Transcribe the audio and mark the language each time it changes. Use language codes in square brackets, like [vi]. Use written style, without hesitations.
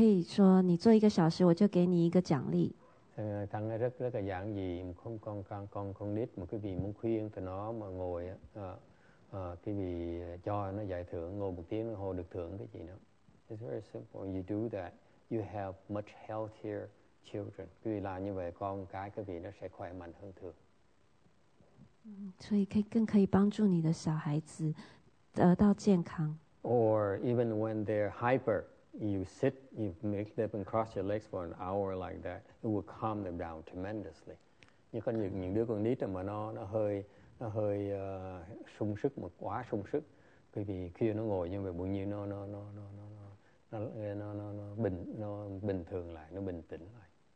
[zh] 就是你们可以说，你做一个小时，我就给你一个奖励。 [vi] Thằng này rất là giản dị, con nít mà quý vị muốn khuyên thì nó mà ngồi á. Cái vì cho nó giải thưởng, ngồi một tiếng hồ được thưởng cái gì đó. [en] It's very simple. You do that, you have much healthier children. [vi] Quý vị làm như vậy, con cái quý vị nó sẽ khỏe mạnh hơn thường. [zh] 所以更可以帮助你的小孩子得到健康。 [en] Or even when they're hyper, you sit, you make them and cross your legs for an hour like that, it will calm them down tremendously. [vi] Nhưng có những đứa con nít mà nó hơi sung sức mà quá sung sức, bởi vì khi nó ngồi như vậy, bỗng nhiên nó bình thường lại, nó bình tĩnh lại.